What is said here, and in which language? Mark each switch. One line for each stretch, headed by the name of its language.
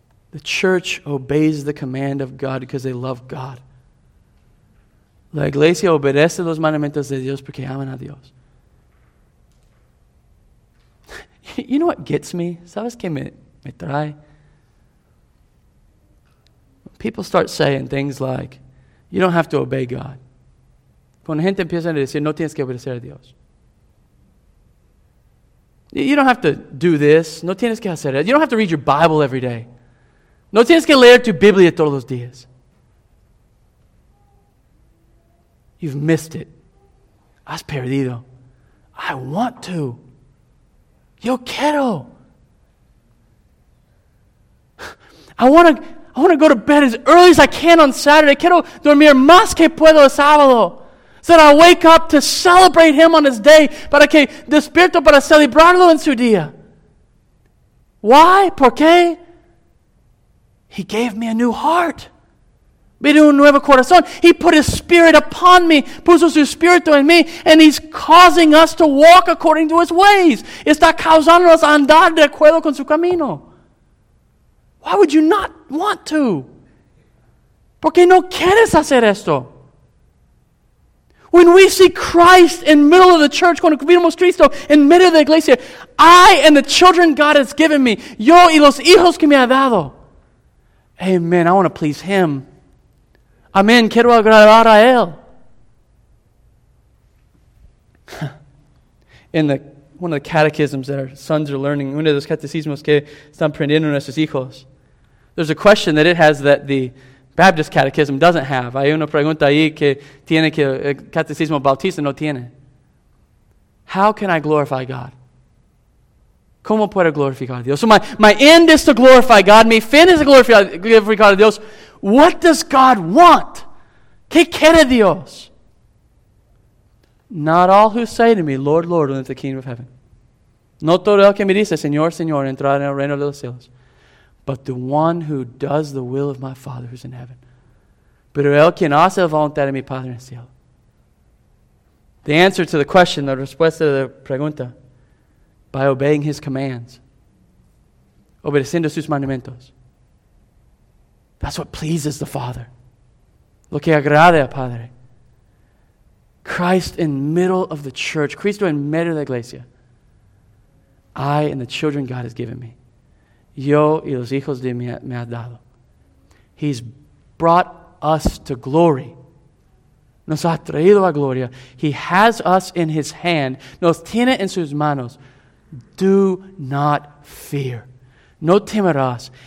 English: The church obeys the command of God because they love God.
Spanish: La iglesia obedece los mandamientos de Dios porque aman a Dios.
English: You know what gets me?
Spanish: ¿Sabes qué me trae?
English: People start saying things like, you don't have to obey God.
Spanish: Cuando gente empieza a decir, no tienes que obedecer a Dios.
English: You don't have to do this.
Spanish: No tienes que hacer eso.
English: You don't have to read your Bible every day.
Spanish: No tienes que leer tu Biblia todos los días.
English: You've missed it.
Spanish: Has perdido.
English: I want to.
Spanish: Yo quiero.
English: I want to go to bed as early as I can on Saturday.
Spanish: Quiero dormir más que puedo el sábado.
English: So that I wake up to celebrate Him on His day.
Spanish: Para que despierto para celebrarlo en su día.
English: Why?
Spanish: ¿Por qué?
English: He gave me a new heart.
Spanish: Me dio un nuevo corazón.
English: He put His Spirit upon me.
Spanish: Puso su Espíritu en mí.
English: And He's causing us to walk according to His ways.
Spanish: Está causándonos a andar de acuerdo con su camino.
English: Why would you not want to?
Spanish: ¿Por qué no quieres hacer esto?
English: When we see Christ in the middle of the church,
Spanish: cuando vemos Cristo en medio de la iglesia,
English: I and the children God has given me,
Spanish: yo y los hijos que me ha dado.
English: Amen, I want to please Him. Amen,
Spanish: quiero agradar a Él.
English: One of the catechisms that our sons are learning,
Spanish: uno de los catecismos que están aprendiendo nuestros hijos,
English: there's a question that it has that the Baptist catechism doesn't have.
Spanish: Hay una pregunta ahí que tiene que el catecismo bautista no tiene.
English: How can I glorify God?
Spanish: ¿Cómo puedo glorificar a Dios?
English: So my end is to glorify God.
Spanish: Mi fin es to glorificar a Dios.
English: What does God want?
Spanish: ¿Qué quiere Dios?
English: Not all who say to me, Lord, Lord, will enter the kingdom of heaven.
Spanish: No todo el que me dice, Señor, Señor, entrará en el reino de los cielos.
English: But the one who does the will of my Father who's in heaven.
Spanish: Pero el quien hace la voluntad de mi Padre en el cielo.
English: The answer to the question, the
Spanish: respuesta de la pregunta,
English: by obeying His commands,
Spanish: obedeciendo sus mandamientos.
English: That's what pleases the Father.
Spanish: Lo que agrada al Padre.
English: Christ in the middle of the church,
Spanish: Cristo en medio de la iglesia.
English: I and the children God has given me.
Spanish: Yo y los hijos de mí me ha dado.
English: He's brought us to glory.
Spanish: Nos ha traído a gloria.
English: He has us in His hand.
Spanish: Nos tiene en sus manos.
English: Do not fear.
Spanish: No temerás.